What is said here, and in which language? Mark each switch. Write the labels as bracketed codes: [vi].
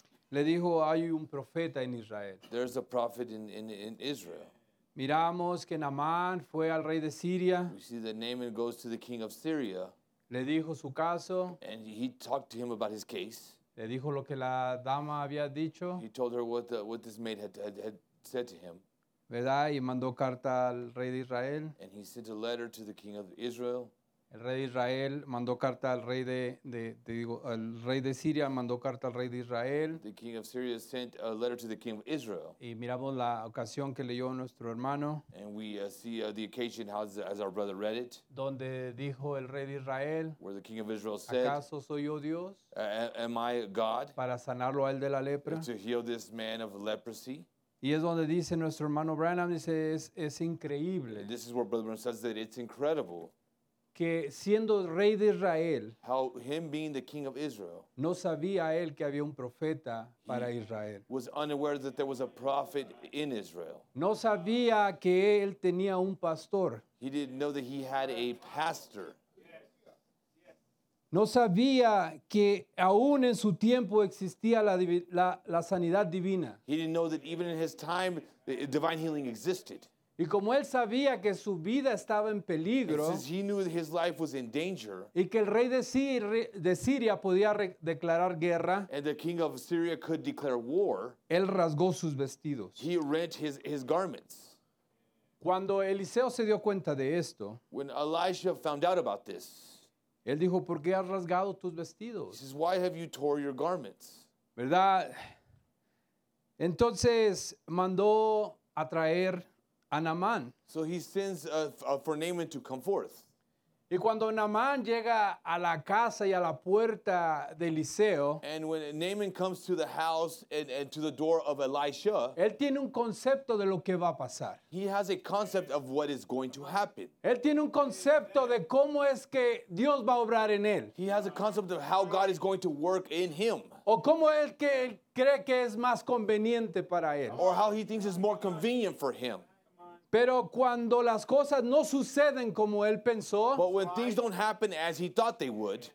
[es] le dijo, hay un profeta en Israel. [en] There's a prophet in Israel. [es] Miramos que Naamán fue al rey de Siria. [en] We see that Naaman goes to the king of Syria. [es] Le dijo su caso. [en] And he talked to him about his case. [es] Le dijo lo que la dama había dicho. [en] He told her what this maid had said to him. [es] ¿Verdad? Y mandó carta al rey de Israel. [en] And he sent a letter to the king of Israel. [es] El rey de Israel mandó carta al rey el rey de Siria mandó carta al rey de Israel. [en] The king of Syria sent a letter to the king of Israel. [es] Y miramos la ocasión que leyó nuestro hermano. [en] And we see the occasion as our brother read it. [es] Donde dijo el rey de Israel. [en] Where the king of Israel said. [es] ¿Acaso soy yo Dios? [en] Am I God? [es] Para sanarlo a él de la lepra. [en] To heal this man of leprosy. [es] Y es donde dice nuestro hermano Branham, dice, es increíble. [en] And this is where Brother Branham says that it's incredible. [es] Que siendo rey de Israel, [en] how him being the king of Israel, [es] no sabía él que había un profeta para Israel. [en] Was unaware that there was a prophet in Israel. [es] No sabía que él tenía un pastor. [en] He didn't know that he had a pastor. [es] No sabía que aún en su tiempo existía la sanidad divina. [en] He didn't know that even in his time, divine healing existed. [es] Y como él sabía que su vida estaba en peligro, [en] since he knew his life was in danger, [es] y que el rey de Siria podía declarar guerra, [en] and the king of Syria could declare war, [es] él rasgó sus vestidos. [en] He rent his garments. [es] Cuando Eliseo se dio cuenta de esto, [en] when Elisha found out about this, [es] él dijo, ¿por qué has rasgado tus vestidos? [en] He says, why have you tore your garments? [es] ¿Verdad? Entonces mandó a traer a Naamán. [en] So he sends for Naaman to come forth. [es] Y cuando Naaman llega a la casa y a la puerta de Eliseo, [en] and when Naaman comes to the house and to the door of Elisha, [es] él tiene un concepto de lo que va a pasar. [en] He has a concept of what is going to happen. [es] Él tiene un concepto de cómo es que Dios va a obrar en él. [en] He has a concept of how God is going to work in him. [es] O cómo es que él cree que es más conveniente para él. [en] Or how he thinks is more convenient for him. [es] Pero cuando las cosas no suceden como él pensó, [en] but when things don't happen as he thought they would,